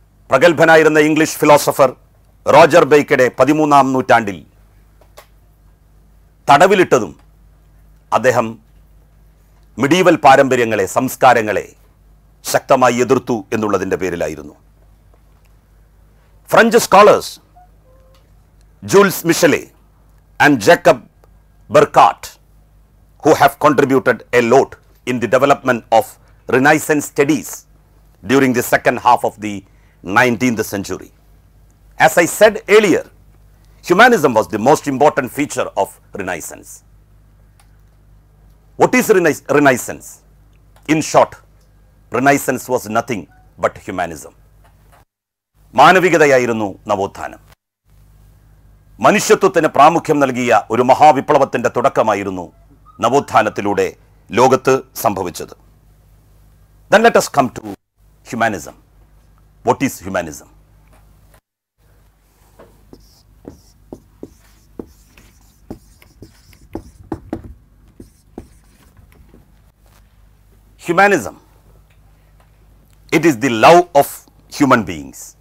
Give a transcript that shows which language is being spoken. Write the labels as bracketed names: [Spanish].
[Malayalam] പ്രഗത്ഭനായിരുന്ന English philosopher Roger ബേക്കിടെ 13-ാം നൂറ്റാണ്ടിൽ തടവിലിട്ടതും അദ്ദേഹം medieval പാരമ്പര്യങ്ങളെ, സംസ്കാരങ്ങളെ ശക്തമായി എതിർത്തു എന്നുള്ളതിൻ്റെ പേരിലായിരുന്നു. [English] French scholars Jules Michelet and Jacob Burckhardt, who have contributed a lot in the development of Renaissance studies during the second half of the 19th century. As I said earlier, humanism was the most important feature of Renaissance. What is Renaissance? In short, Renaissance was nothing but humanism. [Malayalam] മാനവികതയായിരുന്നു നവോത്ഥാനം. മനുഷ്യത്വത്തിന് പ്രാമുഖ്യം നൽകിയ ഒരു മഹാവിപ്ലവത്തിന്റെ തുടക്കമായിരുന്നു നവോത്ഥാനത്തിലൂടെ ലോകത്ത് സംഭവിച്ചത്. [English] Then let us come to humanism. What is humanism? Humanism, it is the love of human beings.